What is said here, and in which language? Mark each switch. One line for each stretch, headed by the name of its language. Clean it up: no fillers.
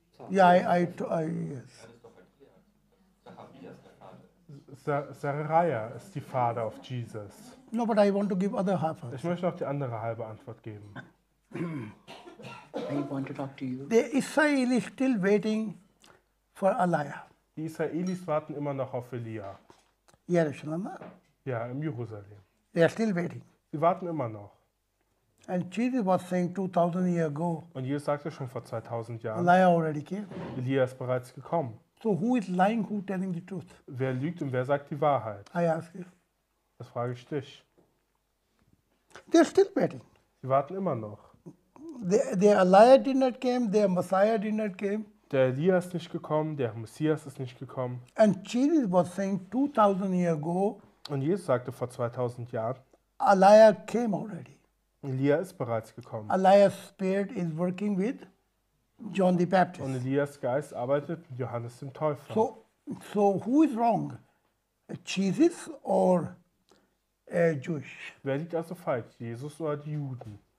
English: Yes.
German: Zachariah ist die Vater of Jesus.
English: No, but I want to give other half answer.
German: Ich möchte auch die andere halbe Antwort geben.
English: I want to talk to you. The Israelis still waiting for Elijah.
German: Die Israelis warten immer noch auf Elia. Jerusalem. Ja, im Jerusalem.
English: They are still waiting.
German: Sie warten immer noch.
English: And Jesus was saying 2000 years ago.
German: Und Jesus sagte schon vor 2000 Jahren.
English: Elijah already came.
German: Elia ist bereits gekommen.
English: So who is lying, who telling the truth?
German: Wer lügt und wer sagt die Wahrheit?
English: I ask you.
German: Das frage ich dich.
English: They are still waiting.
German: Sie warten immer noch.
English: Their Elijah did not came, their Messiah did not came.
German: Der Elias ist nicht gekommen, der Messias ist nicht gekommen.
English: And Jesus was saying 2000 years ago.
German: Und Jesus sagte vor 2000 Jahren.
English: Elijah came already.
German: Elias ist bereits gekommen.
English: Elijah's spirit is working with John the Baptist.
German: Und Elias Geist arbeitet mit Johannes dem Täufer.
English: So who is wrong? Jesus or Jewish?
German: Wer liegt also falsch, Jesus oder die Juden?